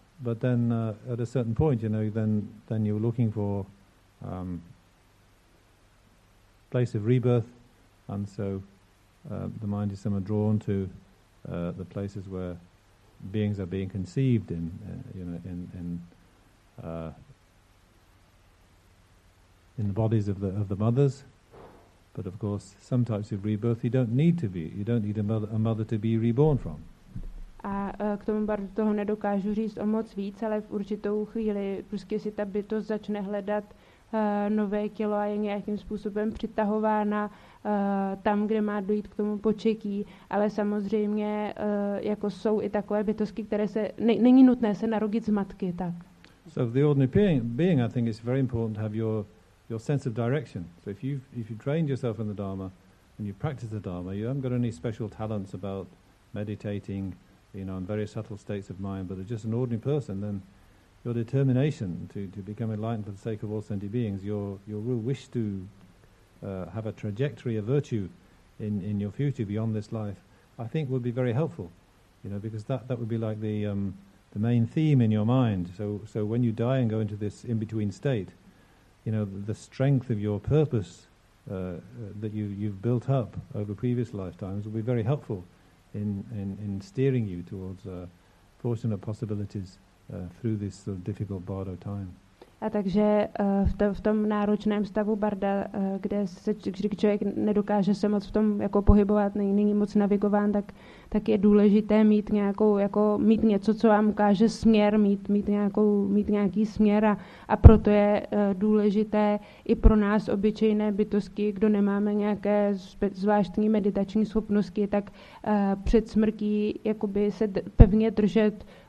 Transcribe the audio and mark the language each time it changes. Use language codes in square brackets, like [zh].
[en] But then at a certain point, you know, then you're looking for place of rebirth, and so the mind is somewhat drawn to the places where beings are being conceived in, you know, in the bodies of the mothers. But of course, some types of rebirth you don't need to be. You don't need a mother to be reborn from. [cs] A k tomu bardu toho nedokážu říct o moc víc, ale v určitou chvíli prostě si ta bytost začne hledat nové tělo a je nějakým způsobem přitahována tam, kde má dojít k tomu početí. Ale samozřejmě jako jsou i takové bytosti, které se není nutné se narodit z matky, tak. [en] So the ordinary being, I think it's very important to have your sense of direction. So if you trained yourself in the Dharma and you practice the Dharma, you haven't got any special talents about meditating, you know, in very subtle states of mind, but are just an ordinary person, then your determination to become enlightened for the sake of all sentient beings, your real wish to have a trajectory of virtue in your future beyond this life, I think would be very helpful, you know, because that would be like the main theme in your mind. So when you die and go into this in-between state, you know, the strength of your purpose that you've built up over previous lifetimes will be very helpful in steering you towards fortunate possibilities through this sort of difficult bardo time. [cs] A takže v tom náročném stavu barda, kde se člověk nedokáže se moc v tom jako pohybovat, není moc navigován, tak je důležité mít nějakou jako mít něco, co vám ukáže směr, mít nějaký směr a proto je důležité i pro nás obyčejné bytosti, kdo nemáme nějaké zvláštní meditační schopnosti, tak před smrtí jakoby se pevně držet